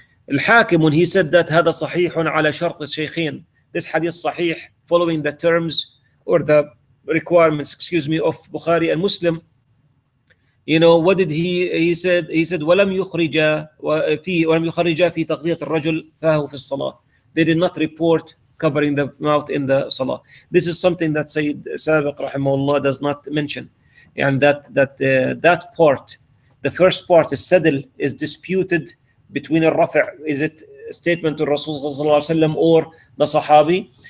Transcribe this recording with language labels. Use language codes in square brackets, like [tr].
[ar] الحاكم [en] when he said that [ar] هذا صحيح على شرط الشيخين. [en] This حديث صحيح following the terms or the requirements, excuse me, of Bukhari and Muslim. You know what did he said? He said [ar] ولم يخرج في ولم يخرج في تغذية الرجل فاهو في الصلاة. [en] They did not report covering the mouth in the صلاة. This is something that Sayyid Sabiq رحمه الله does not mention. And that part, the first part, the sadl is disputed between الرفع. Is it statement to الرسول صلى الله عليه وسلم or the صحابي?